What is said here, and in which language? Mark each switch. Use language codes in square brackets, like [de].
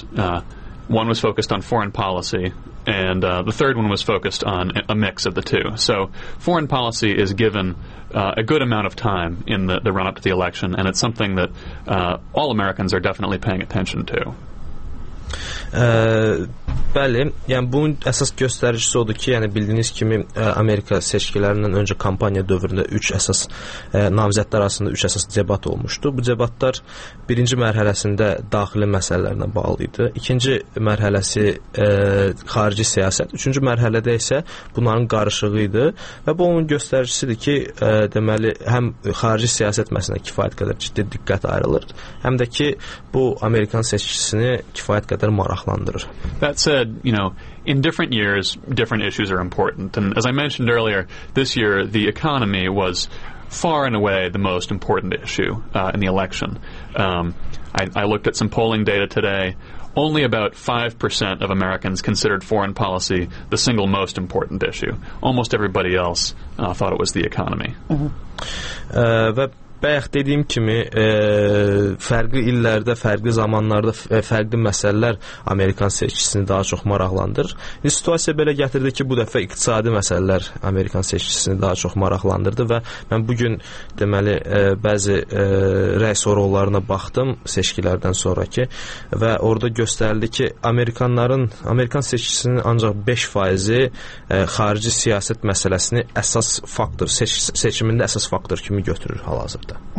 [en] One was focused on foreign policy, and the third one was focused on a mix of the two. So foreign policy is given a good amount of time in the run-up to the election, and it's something that all Americans are definitely paying attention to. [az] Bəli, yəni bunun əsas göstəricisi odur ki, yəni bildiyiniz kimi Amerika seçkilərindən öncə kampaniya dövründə 3 əsas namizədlər arasında 3 əsas debat olmuşdu. Bu debatlar birinci mərhələsində daxili məsələlərlə bağlı idi. İkinci mərhələsi xarici siyasət, üçüncü mərhələdə isə bunların qarışığı idi və bu onun göstəricisidir ki, deməli həm xarici siyasət məsələsində kifayət qədər ciddi diqqət ayrılır, həm də ki, bu Amerikan seçkisini kifayət qədər maraqlandırır. [en] That said, you know, in different years, different issues are important. And as I mentioned earlier, this year, the economy was far and away the most important issue in the election. I looked at some polling data today. Only about 5% of Americans considered foreign policy the single most important issue. Almost everybody else thought it was the economy. Mm-hmm. [az] Bəyək dediyim kimi, fərqli illərdə, fərqli zamanlarda fərqli məsələlər Amerikan seçkisini daha çox maraqlandırır. İndi situasiya belə gətirdi ki, bu dəfə iqtisadi məsələlər Amerikan seçkisini daha çox maraqlandırdı və mən bugün deməli, bəzi rəy sorğularına baxdım seçkilərdən sonraki və orada göstərildi ki, Amerikan seçkisinin ancaq 5% xarici siyasət məsələsini əsas faktor, seçimində əsas faktor kimi götürür hal-hazır.